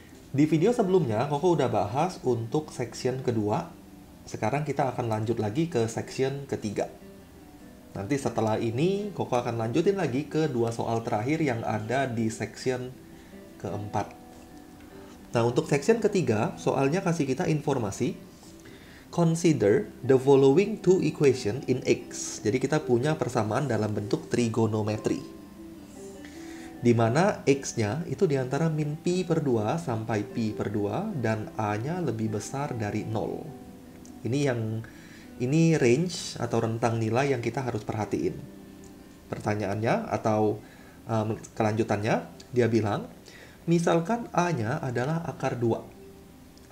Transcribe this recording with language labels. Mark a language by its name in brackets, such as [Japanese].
[Indonesian] Di video sebelumnya, Koko udah bahas untuk section kedua, sekarang kita akan lanjut lagi ke section ketiga. Nanti setelah ini, Koko akan lanjutin lagi ke dua soal terakhir yang ada di section keempat. Nah, untuk section ketiga, soalnya kasih kita informasi. [English] Consider the following two equations in X. [Indonesian] Jadi kita punya persamaan dalam bentuk trigonometri. Di mana X-nya itu di antara min pi per 2 sampai pi per 2 dan A-nya lebih besar dari 0. Ini range atau rentang nilai yang kita harus perhatiin. Pertanyaannya atau kelanjutannya, dia bilang, misalkan A-nya adalah akar 2.